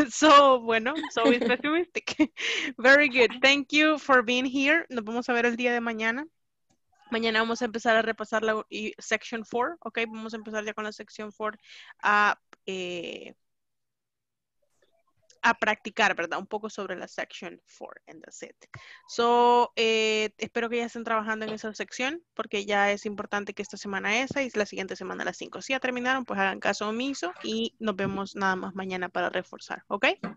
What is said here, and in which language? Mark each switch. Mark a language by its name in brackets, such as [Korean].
[English] So, bueno, Zoe is pessimistic. Very good. Thank you for being here. [Spanish] Nos vamos a ver el día de mañana. Mañana vamos a empezar a repasar la section 4, ¿ok? Vamos a empezar ya con la section 4 a practicar, ¿verdad? Un poco sobre la section 4 and that's it. So, espero que ya estén trabajando en esa sección porque ya es importante que esta semana esa y la siguiente semana a las 5. Si ya terminaron, pues hagan caso omiso y nos vemos nada más mañana para reforzar, ¿ok?